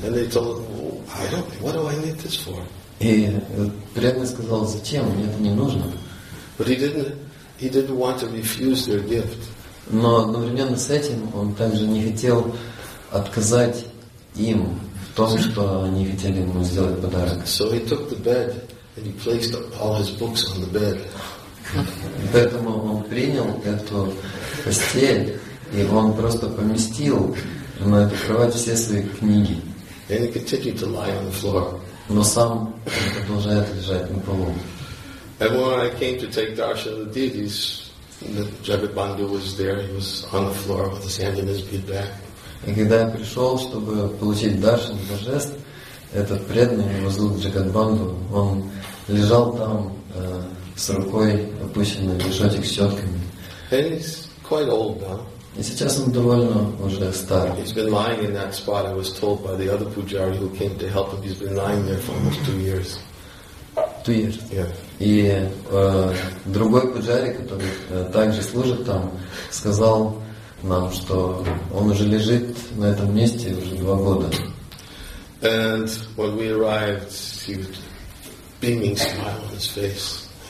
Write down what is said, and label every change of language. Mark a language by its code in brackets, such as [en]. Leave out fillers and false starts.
[en] And they told him, I don't, what do I need this for? [ru] И преданный сказал, зачем? Мне это не нужно. [en] But he didn't want to refuse their gift. [ru] Но одновременно с этим он также не хотел отказать им в том, что они хотели ему сделать подарок. [en] So he took the bed and he placed all his books on the bed. [ru] Поэтому он принял эту постель, и он просто поместил на эту кровать все свои книги. [en] And he continued to lie on the floor. [ru] Но сам продолжает лежать на полу. [en] And when I came to take darshan of the deities, the Jagat Bandhu was there, he was on the floor with his hand in his bead bag. [ru] И когда я пришел, чтобы получить даршан божеств, этот преданный, его зовут Джагат Банду, он лежал там с рукой опущенной, мешочек с четками. [en] He's quite old now. [ru] И сейчас он довольно уже стар. [en] He's been lying in that spot. I was told by the other pujari who came to help him. He's been lying there for almost 2 years. 2 years. Yeah. [ru] И другой пуджари, который также служит там, сказал нам, что он уже лежит на этом месте уже 2 года. [en] And when we arrived, he was beaming smile on his face.